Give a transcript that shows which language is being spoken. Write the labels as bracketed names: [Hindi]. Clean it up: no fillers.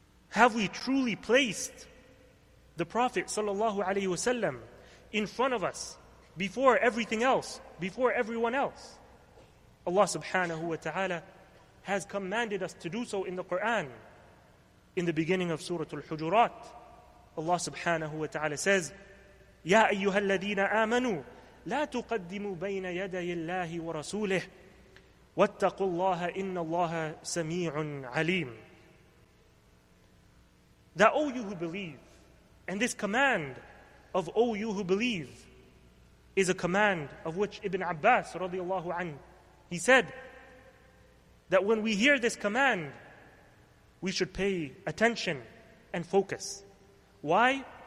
[English] Have we truly placed the Prophet sallallahu alaihi wasallam in front of us, before everything else, before everyone else? Allah subhanahu wa ta'ala has commanded us to do so in the Quran. In the beginning of Surah Al-Hujurat, Allah subhanahu wa ta'ala says, [Arabic] يَا أَيُّهَا الَّذِينَ آمَنُوا لَا تُقَدِّمُوا بَيْنَ يَدَيِ اللَّهِ وَرَسُولِهِ وَاتَّقُوا اللَّهَ إِنَّ اللَّهَ سَمِيعٌ عَلِيمٌ. [English] That, O you who believe, and this command of O you who believe is a command of which Ibn Abbas radiallahu anhu, he said that when we hear this command, we should pay attention and focus. Why?